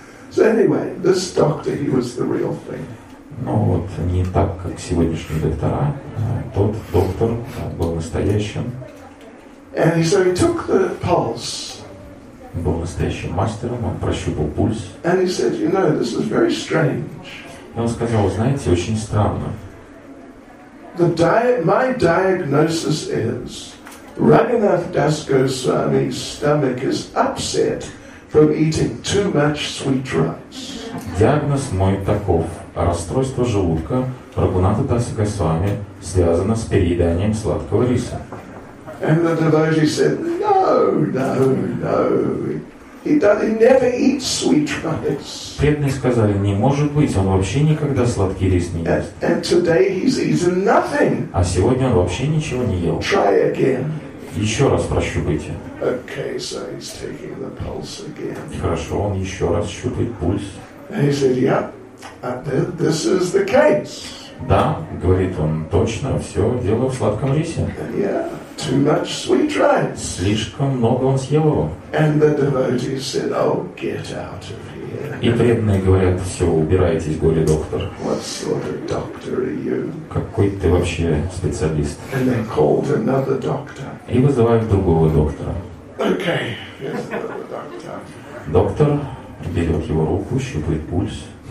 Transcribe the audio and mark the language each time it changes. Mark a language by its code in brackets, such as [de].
[en] So anyway, this doctor, he was the real thing. [ru] Ну вот, не так, как сегодняшние доктора. Тот доктор был настоящим. [en] And so he took the pulse. [ru] Был настоящим мастером, он прощупал пульс. [en] And he said, you know, this is very strange. [ru] И он сказал, знаете, очень странно. [en] My diagnosis is, Raghunath Das Goswami's stomach is upset from eating too much sweet rice. [ru] Диагноз мой таков. Расстройство желудка Рагхунатха Даса Госвами связано с перееданием сладкого риса. [en] And the devotee said, no, no, no. He never eats sweet rice. [ru] Преданные сказали, не может быть, он вообще никогда сладкий рис не ест. [en] And today he's eaten nothing. [ru] А сегодня он вообще ничего не ел. [en] Try again. [ru] Еще раз прощупайте. [en] Okay, so he's taking the pulse again. [ru] Хорошо, он еще раз щупает пульс. [en] And he said, yep. This is the case. [ru] Да, говорит он, точно, все дело в сладком рисе. [en] Yeah, too much sweet rice. [ru] Слишком много он съел его. [en] And the devotee said, oh, get out of here. [ru] И преданные говорят, все, убирайтесь, горе доктор. [en] What sort of doctor are you? [ru] Какой ты вообще специалист? [en] And they called another doctor. [ru] И вызывают другого доктора. [en] Okay, here's another doctor. [ru] Доктор берет его руку, щупает пульс.